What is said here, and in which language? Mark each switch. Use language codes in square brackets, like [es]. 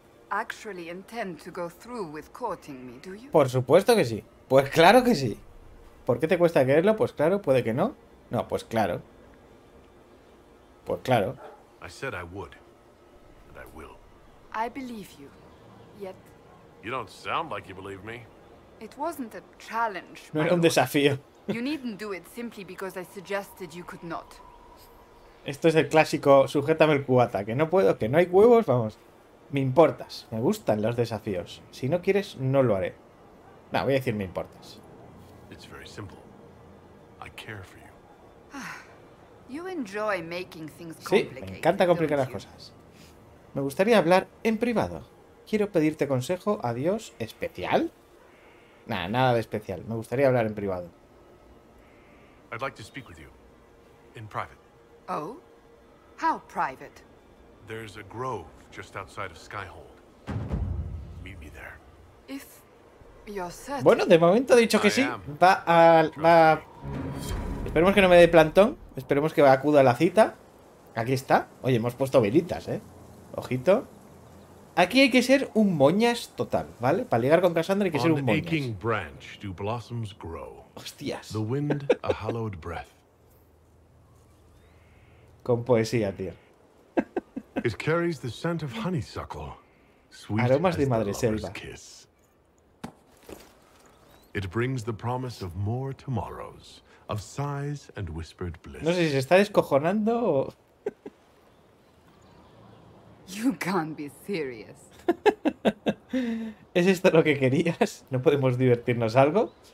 [en] Actually intend to go through with courting me, do you? [es] Por supuesto que sí. Pues claro que sí. ¿Por qué te cuesta creerlo? Pues claro, puede que no. No, pues claro. Pues claro. [en] I said I would, and I will. I believe you, yet. You don't sound like you believe me. It wasn't a challenge. [es] No era un desafío. [en] You needn't do it simply because I suggested you could not. [es] Esto es el clásico sujétame el cubata, que no puedo, que no hay huevos, vamos. Me importas, me gustan los desafíos. Si no quieres, no lo haré. No, voy a decir me importas. [en] It's very simple. I care for you. You enjoy making things complicated. [es] Sí, me encanta complicar las cosas. Me gustaría hablar en privado. Quiero pedirte consejo a Dios especial. Nah, nada de especial. Me gustaría hablar en privado. [en] I'd like to speak with you in private. Oh? How private? There's a grove just outside of Skyhold. Meet me there. If you're certain. [es] Bueno, de momento he dicho que sí. Va al Esperemos que no me dé plantón. Esperemos que acuda a la cita. Aquí está. Oye, hemos puesto velitas, ¿eh? Ojito. Aquí hay que ser un moñas total, ¿vale? Para ligar con Cassandra hay que ser un moñas. [en] On aching branch do blossoms grow. [es] Hostias. [en] The wind a hallowed breath. [es] Con poesía, tío. [en] It carries the scent of honeysuckle, sweet [es] aromas de madre selva. [en] It brings the promise of more tomorrows, of sighs and whispered bliss. [es] No sé si se está descojonando o... [en] You can't be serious. [es] ¿Es esto lo que querías? ¿No podemos divertirnos algo?